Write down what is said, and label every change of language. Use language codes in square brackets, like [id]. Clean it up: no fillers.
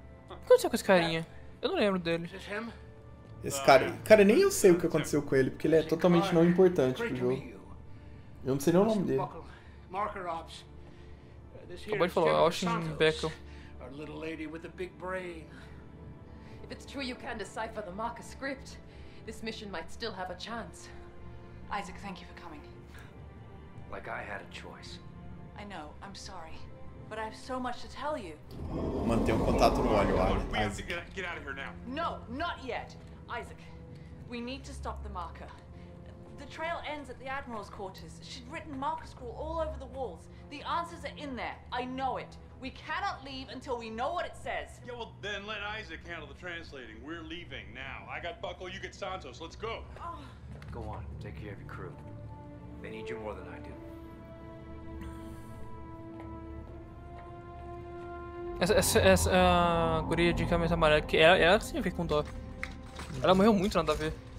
[pt] O que aconteceu com esse carinha? Eu não lembro dele. Esse cara... Cara, nem eu sei o que aconteceu com ele, porque ele é totalmente não importante pro jogo. Eu não sei nem o nome dele. Acabou de falar, Austin Beckham. [en] Our little lady with a big brain. If it's true you can decipher the marker script, this mission might still have a chance. Isaac, thank you for coming. Like I had a choice. I know, I'm sorry. But I have so much to tell you. [pt] Manter o contato no olho, Isaac. [en] No, not yet. Isaac, we need to stop the marker. The trail ends at the Admiral's quarters. She'd written marker scroll all over the walls. The answers are in there. I know it. We cannot leave until we know what it says. Yeah, well, then let Isaac handle the translating. We're leaving now. I got Buckle, you get Santos. Let's go. Oh. Go on, take care of your crew. They need you more than I do. [pt] Essa guria de camisa amarela, que ela sim veio com dó. Ela morreu muito, nada a ver.